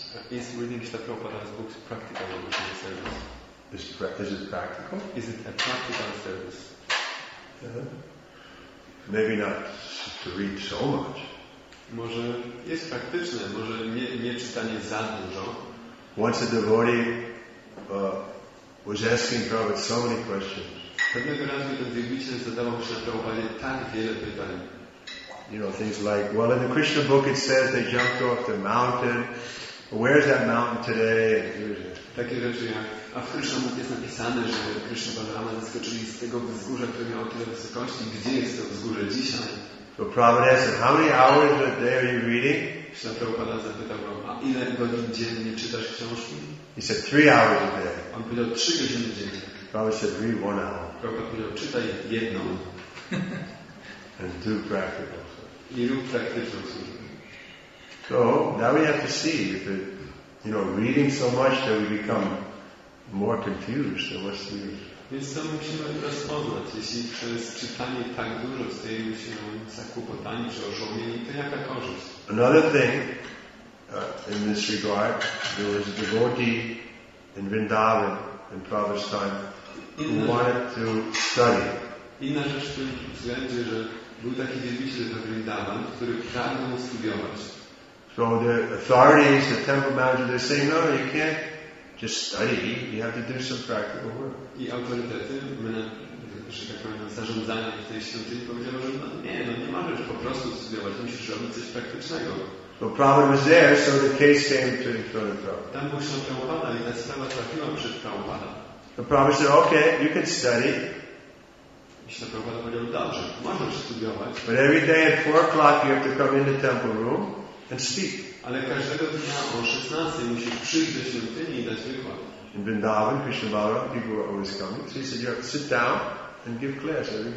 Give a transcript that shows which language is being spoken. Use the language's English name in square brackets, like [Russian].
[English] Is reading Śrīla Prabhupāda's books practical or is it a service? Is it practical? Is it a practical service? Yeah. Maybe not to read so much. [Polish] Może jest praktyczne, może nie czytanie za dużo. [English] Once a devotee was asking Prabhupada so many questions. [Polish] Pewnego razu ten wielbiciel zadawał Śrīla Prabhupādzie tak wiele pytań. [English] You know, things like, well, in the Krishna book it says they jumped off the mountain. Where is that mountain today? [Polish] Takie rzeczy jak, a w Krishna book jest napisane, że Krishna Balarama zeskoczyli z tego wzgórza, które miało tyle wysokości. Gdzie jest to wzgórze dzisiaj? [English] So Prabhupada asked, how many hours a day are you reading? [Polish] Śrīla Prabhupāda zapytał go, a ile godzin dziennie czytasz książki? [English] He said, 3 hours a day. [Polish] On powiedział, 3 godziny dziennie. [English] Prabhupada said, read 1 hour. [Polish] Prabhupada powiedział, czytaj jedną. [English] And do practical. [Polish] I rób praktyczną służbę. [English] So now we have to see if it, you know, reading so much that we become more confused than what's the use. [Polish] Więc to musimy rozpoznać, jeśli przez czytanie tak dużo stajemy się zakłopotani czy oszołomieni, to jaka korzyść? [English] Another thing in this regard, there was a devotee in Vrindavan in Prabhupada's time who wanted to study. [Polish] Inna rzecz w tym względzie, że był taki wielbiciel na Vrindavan, który pragnął studiować. [English] So the authorities, the temple manager, they say, no, you can't just study, you have to do some practical work. [Polish] I autorytety, że tak powiem, zarządzanie w tej świątyni powiedziały, że no, nie możesz po prostu studiować, musisz robić coś praktycznego. [English] Bo Prabhupada was there, so the case came to the front of Prabhupada. [Polish] Tam był Śrīla Prabhupada, więc sprawa trafiła przed Prabhupada. [English] The Prabhupada said, okay, you can study. [Polish] Śrīla Prabhupada powiedział, dobrze, można studiować. [English] But every day at 4 o'clock you have to come in the temple room and speak. [Polish] Ale każdego dnia o 16 musisz przyjść do świątyni i dać wykład. [English] In Vrindavan, Krishna Balaram, people were always coming. So he said, you have to sit down and give class.